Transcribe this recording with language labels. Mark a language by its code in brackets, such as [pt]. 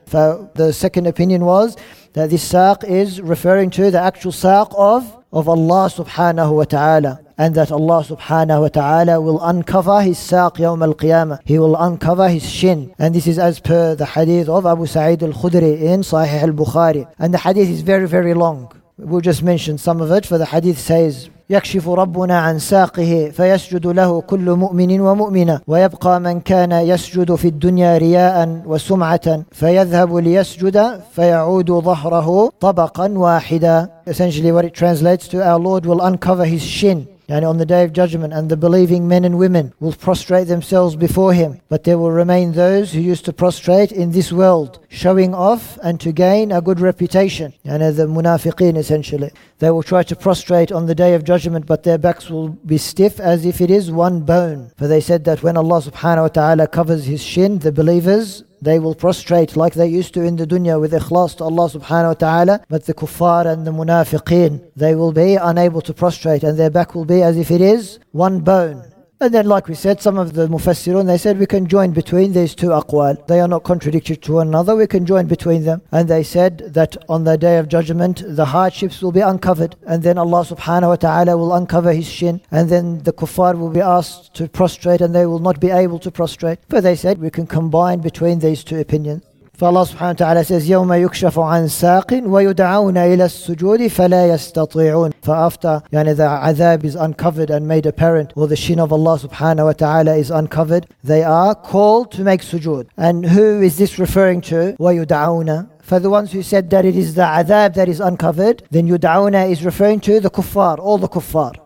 [en] For the second opinion was that this saq is referring to the actual saq of Allah subhanahu wa ta'ala. And that Allah subhanahu wa ta'ala will uncover his saq yawm al-qiyamah. He will uncover his shin. And this is as per the hadith of Abu Sa'id al-Khudri in Sahih al-Bukhari. And the hadith is very, very long. [ar] We'll just mention some of it. For the hadith says, يكشف ربنا عن ساقه فيسجد له كل مؤمن ومؤمنة ويبقى من كان يسجد في الدنيا رياء وسمعة فيذهب ليسجد فيعود ظهره طبقا واحدا. [en] Essentially what it translates to, our Lord will uncover his shin, yani on the day of judgment, and the believing men and women will prostrate themselves before him, but there will remain those who used to prostrate in this world, showing off and to gain a good reputation. Yani the munafiqeen, essentially, they will try to prostrate on the day of judgment, but their backs will be stiff as if it is one bone. For they said that when Allah subhanahu wa ta'ala covers his shin, the believers, they will prostrate like they used to in the dunya with ikhlas to Allah subhanahu wa ta'ala. But the kuffar and the munafiqeen, they will be unable to prostrate, and their back will be as if it is one bone. And then, like we said, some of the mufassirun, they said we can join between these two aqwal. They are not contradictory to one another. We can join between them. And they said that on the day of judgment, the hardships will be uncovered. And then Allah subhanahu wa ta'ala will uncover his shin. And then the kuffar will be asked to prostrate, and they will not be able to prostrate. But they said we can combine between these two opinions. [ar] For Allah subhanahu wa ta'ala says, يَوْمَ يُكْشَفُ عَنْ سَاقٍ وَيُدْعَوْنَ إِلَى السُّجُودِ فَلَا يَسْتَطِيعُونَ. [en] For after يعني the عذاب is uncovered and made apparent, or the shin of Allah subhanahu wa ta'ala is uncovered, they are called to make sujood. And who is this referring to? [ar] وَيُدْعَوْنَ. [en] For the ones who said that it is the عذاب that is uncovered, then يُدْعَوْنَ is referring to the kuffar, all the kuffar.